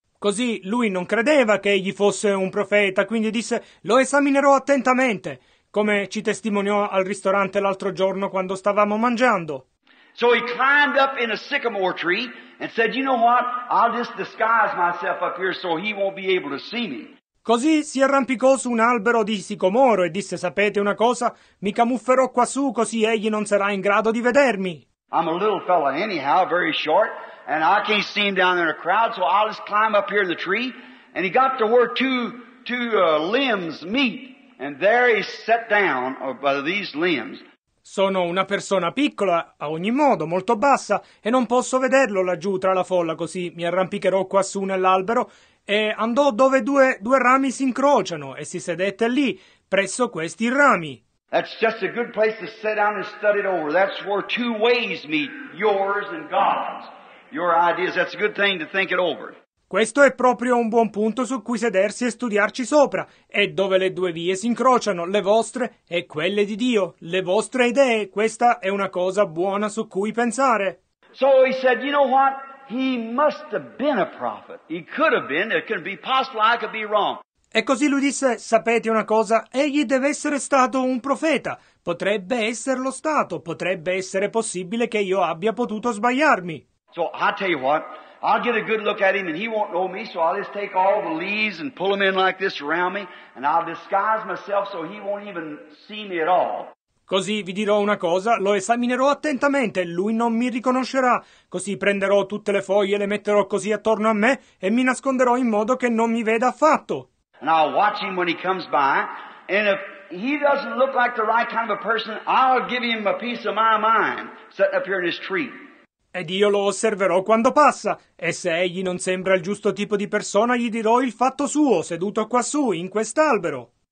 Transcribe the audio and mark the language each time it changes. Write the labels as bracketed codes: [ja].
[it] Così lui non credeva che egli fosse un profeta, quindi disse, lo esaminerò attentamente, come ci testimoniò al ristorante l'altro giorno quando stavamo mangiando. [en] So he climbed up in a sycamore tree and said, you know what, I'll just disguise myself up here so he won't be able to see me. [it] Così si arrampicò su un albero di sicomoro e disse: sapete una cosa? Mi camufferò quassù così egli non sarà in grado di vedermi. [en] I'm a little fella anyhow, very short, and I can't see him down there in a crowd, so I'll just climb up here in the tree. And he got to where two limbs meet, and there he sat down by these limbs. [it] Sono una persona piccola, a ogni modo, molto bassa, e non posso vederlo laggiù tra la folla, così mi arrampicherò quassù nell'albero. E andò dove due rami si incrociano, e si sedette lì, presso questi rami. [en] That's just a good place to sit down and study it over. That's where two ways meet, yours and God's. Your ideas, that's a good thing to think it over. [it] Questo è proprio un buon punto su cui sedersi e studiarci sopra, è dove le due vie si incrociano, le vostre e quelle di Dio, le vostre idee, questa è una cosa buona su cui pensare. [en] So he said, you know what, he must have been a prophet, he could have been, it could be possible I could be wrong. [it] E così lui disse, sapete una cosa, egli deve essere stato un profeta, potrebbe esserlo stato, potrebbe essere possibile che io abbia potuto sbagliarmi. [en] So I tell you what, I'll get a good look at him and he won't know me, so I'll just take all the leaves and pull them in like this around me and I'll disguise myself so he won't even see me at all. [it] Così vi dirò una cosa, lo esaminerò attentamente, lui non mi riconoscerà, così prenderò tutte le foglie, le metterò così attorno a me e mi nasconderò in modo che non mi veda affatto. [en] And I'll watch him when he comes by and if he doesn't look like the right kind of a person, I'll give him a piece of my mind sitting up here in his tree. [it] Ed io lo osserverò quando passa, e se egli non sembra il giusto tipo di persona, gli dirò il fatto suo, seduto quassù, in quest'albero.